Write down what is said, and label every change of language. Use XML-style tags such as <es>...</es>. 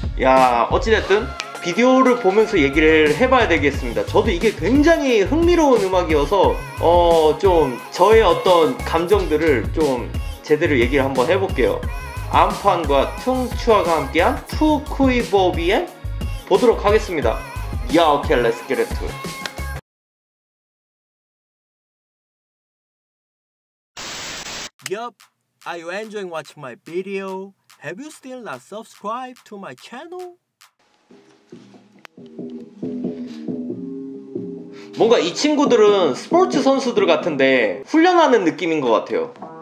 <ko>야, 어찌됐든 비디오를 보면서 얘기를 해봐야 되겠습니다. 저도 이게 굉장히 흥미로운 음악이어서 좀 저의 어떤 감정들을 좀 제대로 얘기를 한번 해볼게요. 안판과 퉁추아가 함께한 푸쿠이보비엔 보도록 하겠습니다.</ko> <en>야, 오케이, let's get it. 얍, are you enjoying watching my video? Have you still not subscribed to my channel?</en> <ko>뭔가 이 친구들은 스포츠 선수들 같은데 훈련하는 느낌인 것 같아요.</ko>